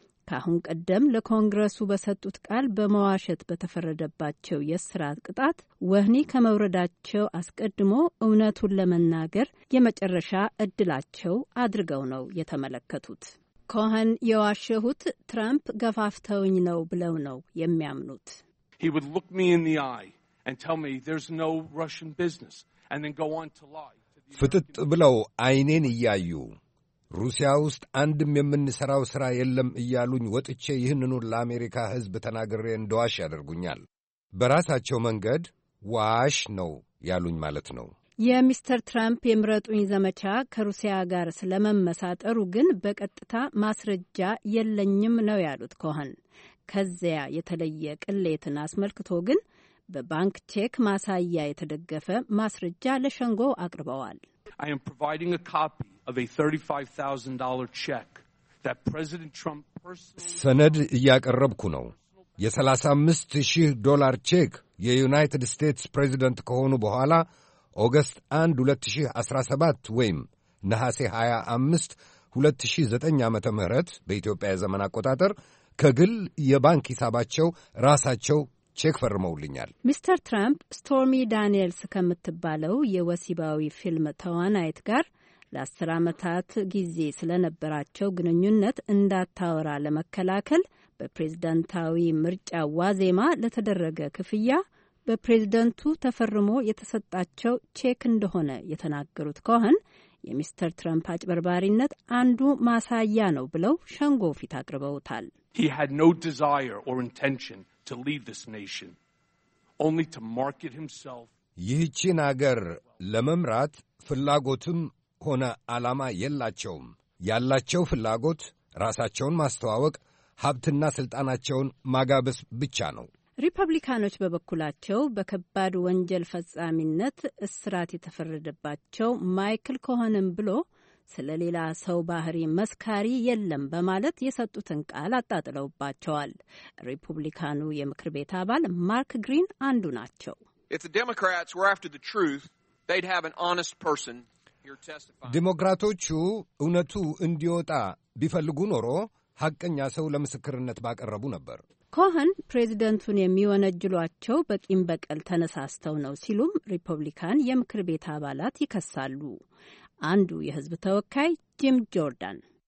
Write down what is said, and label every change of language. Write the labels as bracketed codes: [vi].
[am] ከአሁን ቀደም ለኮንግረሱ በሰጡት ቃል በመዋሸት በተፈረደባቸው የእስራት ቅጣት ወህኒ ከመውረዳቸው አስቀድሞ እውነቱን ለመናገር የመጨረሻ እድላቸው አድርገው ነው የተመለከቱት። ኮሆን የዋሸሁት ትራምፕ ገፋፍተውኝ ነው ብለው ነው የሚያምኑት። [en] He would look me in the eye and tell me there's no Russian business and then go on to lie. [am] ፍጥጥ ብለው አይኔን እያዩ ሩሲያ ውስጥ አንድም የምንሰራው ሥራ የለም እያሉኝ ወጥቼ ይህንኑ ለአሜሪካ ሕዝብ ተናግሬ እንደዋሽ ያደርጉኛል። በራሳቸው መንገድ ዋሽ ነው ያሉኝ ማለት ነው። የሚስተር ትራምፕ የምረጡኝ ዘመቻ ከሩሲያ ጋር ስለመመሳጠሩ ግን በቀጥታ ማስረጃ የለኝም ነው ያሉት ኮሆን። ከዚያ የተለየ ቅሌትን አስመልክቶ ግን በባንክ ቼክ ማሳያ የተደገፈ ማስረጃ ለሸንጎ አቅርበዋል። [en] I am providing a copy of a $35,000 check that President Trump personally [am] ሰነድ እያቀረብኩ ነው። የ35,000 ቼክ የዩናይትድ ስቴትስ ፕሬዚደንት ከሆኑ በኋላ ኦገስት 1 2017 ወይም ነሐሴ 25 2009 ዓመተ ምህረት በኢትዮጵያ የዘመን አቆጣጠር ከግል የባንክ ሂሳባቸው ራሳቸው ቼክ ፈርመውልኛል። ሚስተር ትራምፕ ስቶርሚ ዳንኤልስ ከምትባለው የወሲባዊ ፊልም ተዋናይት ጋር ለአስር ዓመታት ጊዜ ስለነበራቸው ግንኙነት እንዳታወራ ለመከላከል በፕሬዝዳንታዊ ምርጫ ዋዜማ ለተደረገ ክፍያ በፕሬዝዳንቱ ተፈርሞ የተሰጣቸው ቼክ እንደሆነ የተናገሩት ኮሆን የሚስተር ትራምፕ አጭበርባሪነት አንዱ ማሳያ ነው ብለው ሸንጎ ፊት አቅርበውታል። [en] He had no desire or intention to leave this nation, only to market himself. [am] ይህችን አገር ለመምራት ፍላጎትም ሆነ ዓላማ የላቸውም። ያላቸው ፍላጎት ራሳቸውን ማስተዋወቅ፣ ሀብትና ስልጣናቸውን ማጋበስ ብቻ ነው። ሪፐብሊካኖች በበኩላቸው በከባድ ወንጀል ፈጻሚነት እስራት የተፈረደባቸው ማይክል ኮሆንም ብሎ ስለሌላ ሰው ባህሪ መስካሪ የለም በማለት የሰጡትን ቃል አጣጥለውባቸዋል። ሪፐብሊካኑ የምክር ቤት አባል ማርክ ግሪን አንዱ ናቸው። [en] If the Democrats were after the truth, they'd have an honest person here testifying. [am] ዲሞክራቶቹ እነቱ እንዲወጣ ቢፈልጉ ኖሮ ሀቀኛ ሰው ለምስክርነት ባቀረቡ ነበር። ኮሆን ፕሬዝዳንቱን የሚወነጅሏቸው በቂም በቀል ተነሳስተው ነው ሲሉም ሪፐብሊካን የምክር ቤት አባላት ይከሳሉ። አንዱ የህዝብ ተወካይ ጂም ጆርዳን